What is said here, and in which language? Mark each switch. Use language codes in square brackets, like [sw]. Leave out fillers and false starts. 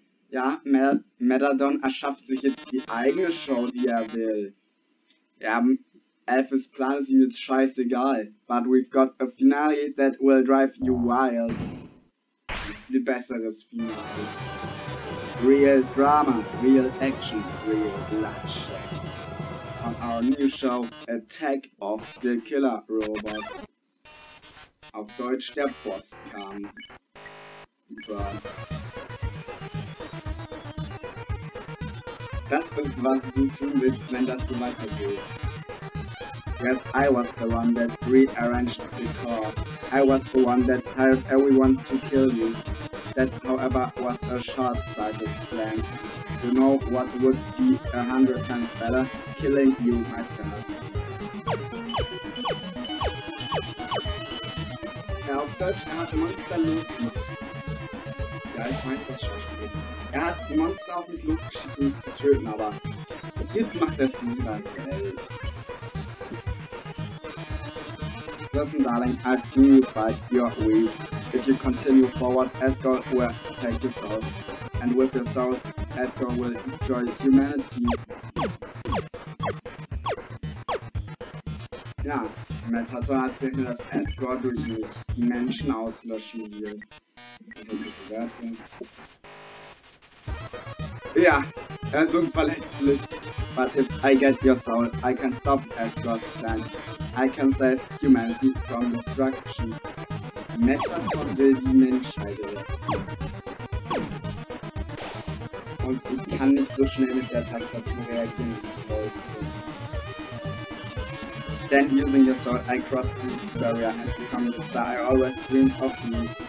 [de] Ja, Meladon erschafft sich jetzt die eigene Show, die er will. Ja, Alphas Plan ist ihm jetzt scheißegal. [en] But we've got a finale that will drive you wild. [de] Viel besseres Finale. [en] Real Drama, real Action, real Bloodshed. On our new show, Attack of the Killer Robot. [de] Auf Deutsch, der Bosskampf. Das ist, was du tun willst, wenn das so weitergeht. [en] Yes, I was the one that rearranged the core. I was the one that hired everyone to kill you. That, however, was a short-sighted plan. You know what would be 100 times better? Killing you myself. [de] Ja, auf Deutsch, er hat Monster losgeschickt. Ja, ich meine, das schon spät. Er hat die Monster auf mich losgeschickt, um mich zu töten, aber jetzt macht er es lieber selbst. [en] Listen, darling, I've seen you fight your way. If you continue forward, Asgore will take your soul. And with your soul, Asgore will destroy humanity. [de] Ja, Metator erzählt mir, dass Asgore durch mich die Menschen auslöschen will. Das ist eine Bewertung. Ja, er ist unverletzlich. [en] But if I get your soul, I can stop Asgore's plan. I can save humanity from destruction. [de] Metator will die Menschheit retten. Und ich kann nicht so schnell mit der Tastatur reagieren, wie ich wollte. [en] Then using your soul, I cross the barrier and become the star I always dreamed of me.